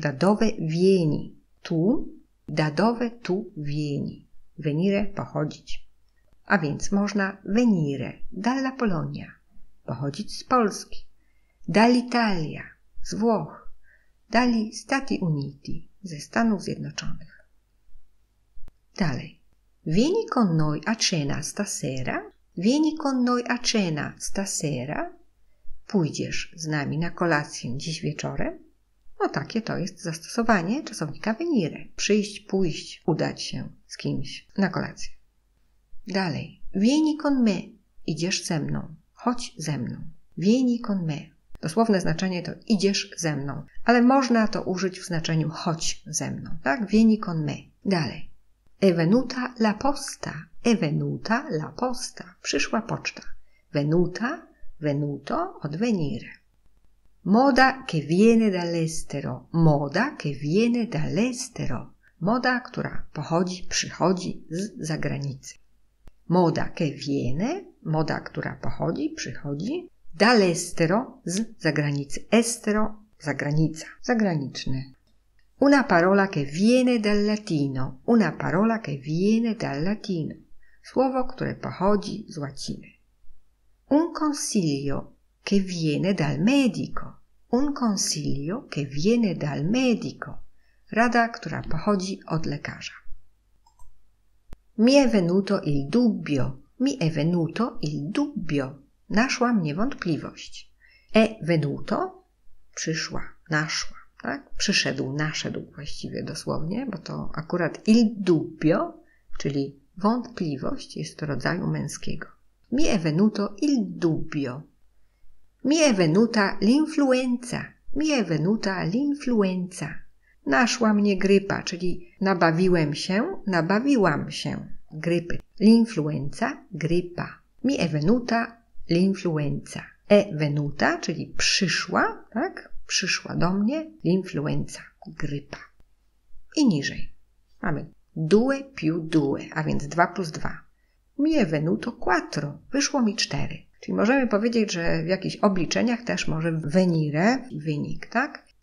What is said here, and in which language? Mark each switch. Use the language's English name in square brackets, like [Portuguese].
[Italian] Da dove vieni? Tu? Da dove tu vieni? [Polish] Venire, pochodzić. A więc można [Italian] venire dalla Polonia, [Polish] pochodzić z Polski. [Italian] Dall'Italia, [Polish] z Włoch. [Italian] Dagli Stati Uniti, [Polish] ze Stanów Zjednoczonych. Dalej. [Italian] Vieni con noi a cena stasera? Vieni con noi a cena stasera? [Polish] Pójdziesz z nami na kolację dziś wieczorem? No takie to jest zastosowanie czasownika venire. Przyjść, pójść, udać się z kimś na kolację. Dalej. [Italian] Vieni con me. [Polish] Idziesz ze mną. Chodź ze mną. Vieni con me. Dosłowne znaczenie to idziesz ze mną. Ale można to użyć w znaczeniu chodź ze mną. Tak? Vieni con me. Dalej. [Italian] È venuta la posta. È venuta la posta. [Polish] Przyszła poczta. [Italian] Venuta. Venuto od venire. Moda che viene dall'estero. Moda che viene dall'estero. [Polish] Moda, która pochodzi, przychodzi z zagranicy. [Italian] Moda che viene. [Polish] Moda, która pochodzi, przychodzi. Dall'estero, z zagranicy. Estero, zagranica. Zagraniczny. [Italian] Una parola che viene dal latino. Una parola che viene dal latino. [Polish] Słowo, które pochodzi z łaciny. [Italian] Un consiglio che viene dal medico. Un consiglio che viene dal medico. [Polish] Rada, która pochodzi od lekarza. [Italian] Mi è venuto il dubbio. Mi è venuto il dubbio. [Polish] Naszła mnie wątpliwość. È venuto. Przyszła, naszła. Tak? Przyszedł, naszedł właściwie dosłownie, bo to akurat il dubbio, czyli wątpliwość, jest rodzaju męskiego. [Italian] Mi è venuto il dubbio. Mi è venuta l'influenza. Mi è venuta l'influenza. [Polish] Naszła mnie grypa, czyli nabawiłem się, nabawiłam się grypy. [Italian] L'influenza, grypa. Mi è venuta l'influenza. [Polish] È venuta, czyli przyszła, tak? Przyszła do mnie l'influenza, grypa. I niżej. Mamy due più due, a więc 2 plus 2. [Italian] Mi è venuto quattro. [Polish] Wyszło mi 4. Czyli możemy powiedzieć, że w jakichś obliczeniach też może venire, wynik, tak?